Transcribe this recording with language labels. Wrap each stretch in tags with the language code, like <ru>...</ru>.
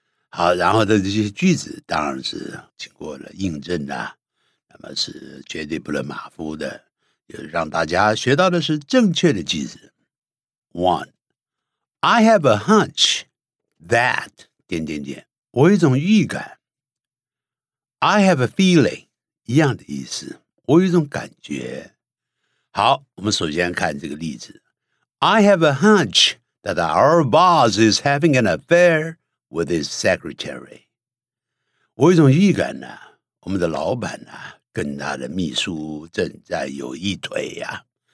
<zh>好，然后的这些句子当然是经过了印证的，那么是绝对不能马虎的，就让大家学到的是正确的句子。</zh> <en>One, I have a hunch that</en> <zh>点点点，我有一种预感。</zh> <en>I have a feeling,</en> <zh>一样的意思，我有一种感觉。好，我们首先看这个例子。</zh> <en>I have a hunch that our boss is having an affair with his secretary.</en> <zh>我有一种预感呢，我们的老板呢，跟他的秘书正在有一腿呀。</zh>